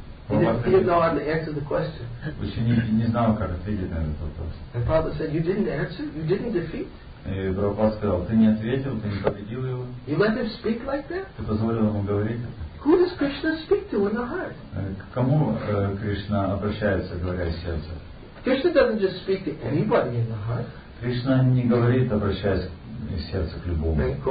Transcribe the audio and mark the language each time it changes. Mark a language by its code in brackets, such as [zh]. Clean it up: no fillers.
[en] He didn't know how to answer the question. [ru] Ученик не знал, как ответить на этот вопрос. [en] And Prabhupada said, you didn't answer, you didn't defeat. [ru] И Прабхупада сказал, ты не ответил, ты не победил его. [en] You let him speak like that? [ru] Ты позволил ему говорить? [en] Who does Krishna speak to in the heart? [ru] К кому Кришна обращается, говоря из сердца? [en] Krishna doesn't just speak to anybody in the heart. [ru] Кришна не говорит, обращаясь из сердца к любому.